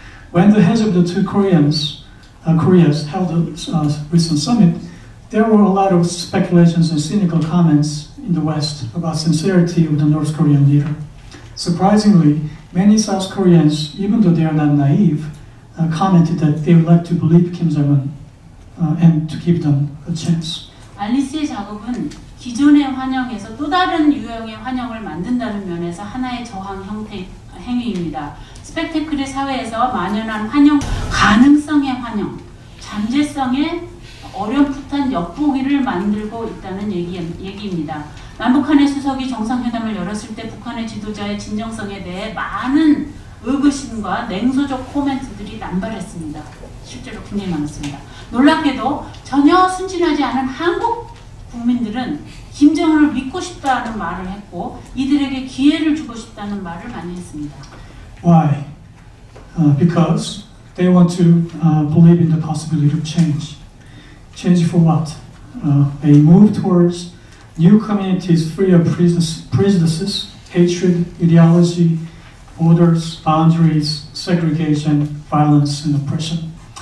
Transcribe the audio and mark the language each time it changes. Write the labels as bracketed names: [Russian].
[English] When the heads of the two Koreas held a recent summit, there were a lot of speculations and cynical comments in the West about sincerity of the North Korean leader. Surprisingly, many South Koreans, even though they are not naive, commented that they would like to believe Kim Jong-un and to give them a chance. [Korean] 알리스의 작업은 기존의 환영에서 또 다른 유형의 환영을 만든다는 면에서 하나의 저항 행위입니다. 스펙테클의 사회에서 만연한 환영, 가능성의 환영, 잠재성의 어렴풋한 역보기를 만들고 있다는 얘기입니다. 남북한의 수석이 정상회담을 열었을 때 북한의 지도자의 진정성에 대해 많은 의구심과 냉소적 코멘트들이 난발했습니다. 실제로 굉장히 많았습니다. 놀랍게도 전혀 순진하지 않은 한국 국민들은 김정은을 믿고 싶다는 말을 했고 이들에게 기회를 주고 싶다는 말을 많이 했습니다. [English] Why? Because they want to believe in the possibility of change. Change for what? A move towards new communities free of prejudices, hatred, ideology, borders, boundaries, segregation, violence, and oppression.